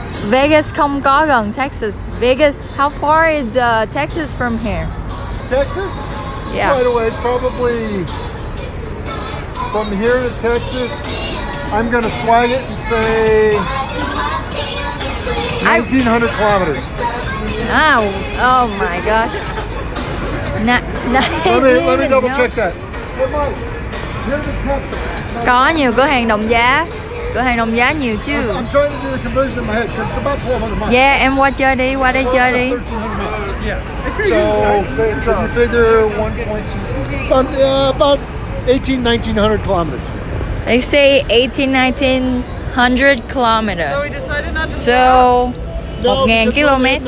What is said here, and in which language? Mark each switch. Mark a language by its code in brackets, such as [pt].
[vi] Vegas không có gần Texas. [en] Vegas, how far is the Texas from here? Texas? Yeah. Right away. It's probably. From here to Texas, I'm gonna swag it and say 1,900 kilometers. Oh my gosh. Let me double check that. Hey Mike, here to Texas. [vi] Có nhiều cửa hàng đồng giá. Cửa hàng đồng giá nhiều chứ. [en] I'm trying to do the conversion in my head because it's about 400 miles. [vi] Yeah, em qua chơi đi, qua đây chơi đi. [en] So, can you figure 1.2? About 1,900 kilometers. They say 1,900 kilometers. So, we decided not to. So, 1,000 kilometers.